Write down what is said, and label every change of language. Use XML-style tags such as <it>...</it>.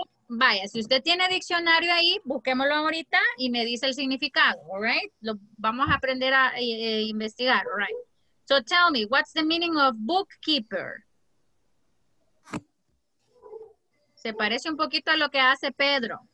<es>Vaya, si usted tiene diccionario ahí, busquémoslo ahorita y me dice el significado, all right? Lo vamos a aprender a investigar, all right?</es> <en>So tell me, what's the meaning of bookkeeper?</en> <es>Se parece un poquito a lo que hace Pedro.</es>